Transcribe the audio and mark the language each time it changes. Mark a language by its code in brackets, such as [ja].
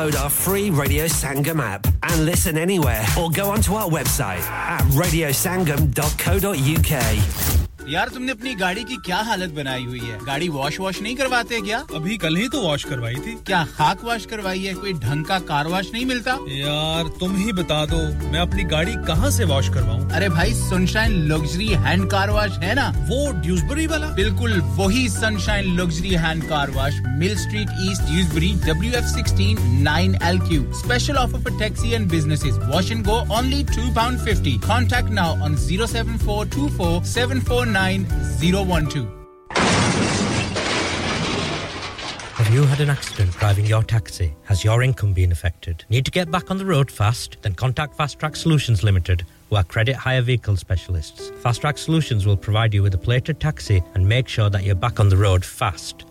[en] Free Radio Sangam app and listen anywhere or go onto our website at radiosangam.co.uk. [hi] यार तुमने अपनी गाड़ी की क्या हालत बनाई हुई है गाड़ी वॉश वॉश नहीं करवाते क्या अभी कल ही तो वॉश करवाई थी क्या खाक वॉश करवाई है कोई ढंग का कार वॉश नहीं मिलता यार तुम ही बता दो मैं अपनी गाड़ी कहां से वॉश करवाऊं अरे भाई sunshine luxury hand car wash है ना वो ड्यूसबरी वाला बिल्कुल वही sunshine luxury hand car wash mill street east Dewsbury WF16 9LQ [en] special offer for taxi and businesses wash and go only £2.50 contact now on [hi] 07424-749-012. [en] Have you had an accident driving your taxi? Has your income been affected? Need to get back on the road fast? Then contact Fast Track Solutions Limited, who are credit hire vehicle specialists. Fast Track Solutions will provide you with a plated taxi and make sure that you're back on the road fast.